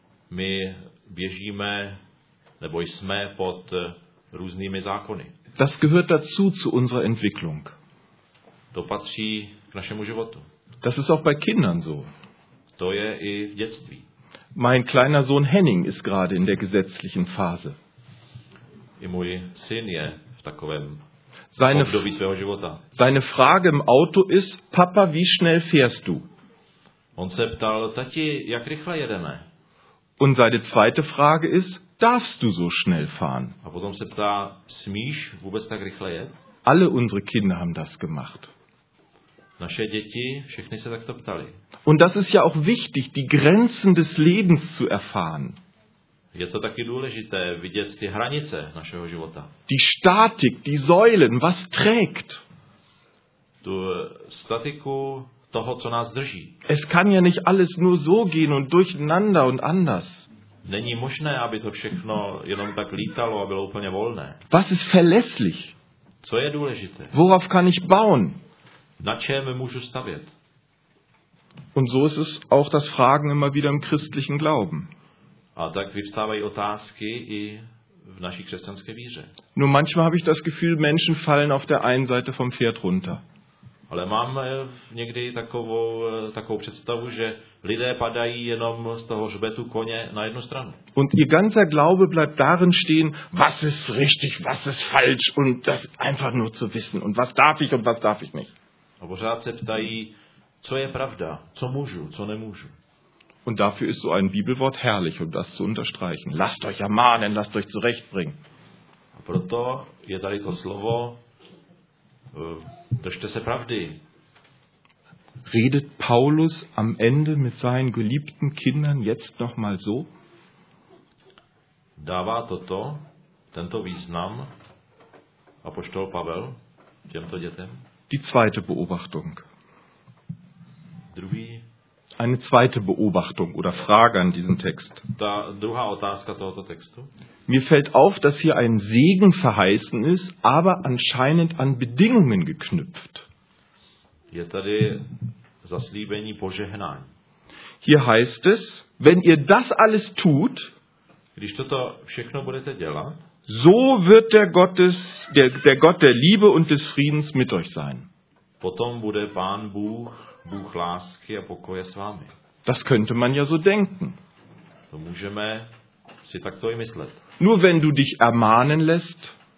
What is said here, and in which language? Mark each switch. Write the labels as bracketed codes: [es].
[cs] My běžíme nebo jsme pod různými zákony. [de] Das gehört dazu zu unserer Entwicklung. [cs] To patří k našemu životu. [de] Das ist auch bei Kindern so. [cs] To je i v dětství. [de] Mein kleiner Sohn Henning ist gerade in der gesetzlichen Phase. [cs] I můj syn je v takovém seine období svého života. [de] Seine Frage im Auto ist: Papa, wie schnell fährst du? [cs] On se ptal: Tati, jak rychle jedeme? [de] Und seine zweite Frage ist: Darfst du so schnell fahren? [cs] A potom se ptá: Smíš vůbec tak rychle jet? [de] Alle unsere Kinder haben das gemacht. [cs] Naše děti, všechny se takto ptali. [de] Und das ist ja auch wichtig, die Grenzen des Lebens zu erfahren. [cs] Je to taky důležité vidět ty hranice našeho života. [de] Die Statik, die Säulen, was trägt? [cs] Tu statiku toho, co nás drží. [de] Es kann ja nicht alles nur so gehen und durcheinander und anders. [cs] Není možné, aby to všechno jenom tak lítalo a bylo úplně volné. [de] Was ist verlässlich? [cs] Co je důležité? [de] Worauf kann ich bauen? [cs] Na čem můžu stavět? [de] Und so ist es auch das Fragen immer wieder im christlichen Glauben. [cs] A tak vyvstávají otázky i v naší křesťanské víře. [de] Nur manchmal habe ich das Gefühl, Menschen fallen auf der einen Seite vom Pferd runter. [cs] Ale mám někdy takovou představu, že lidé padají jenom z toho hřbetu koně na jednu stranu. [de] Und ihr ganzer Glaube bleibt darin stehen, was ist richtig, was ist falsch und das einfach nur zu wissen und was darf ich und was darf ich nicht. [cs] A pořád se ptají, co je pravda, co můžu, co nemůžu. [de] Und dafür ist so ein Bibelwort herrlich, um das zu unterstreichen. Lasst euch ermahnen, lasst euch zurechtbringen. [cs] A proto je tady to slovo, držte se pravdy. [de] Redet Paulus am Ende mit seinen geliebten Kindern jetzt nochmal so? [cs] Dává toto, tento význam, apoštol Pavel, těmto dětem? [de] Die zweite Beobachtung. [cs] Druhý. [de] Eine zweite Beobachtung oder Frage an diesen Text. [cs] Ta druhá otázka tohoto textu. [de] Mir fällt auf, dass hier ein Segen verheißen ist, aber anscheinend an Bedingungen geknüpft. [cs] Je tady zaslíbení požehnání. [de] Hier heißt es, wenn ihr das alles tut, [cs] když toto všechno budete dělat, [de] so wird der Gott der Liebe und des Friedens mit euch sein. [cs] Potom bude Pán Bůh, Bůh lásky a pokoje s vámi. [de] Das könnte man ja so denken. [cs] To můžeme si takto i myslet. [de] Nur wenn du dich ermahnen lässt.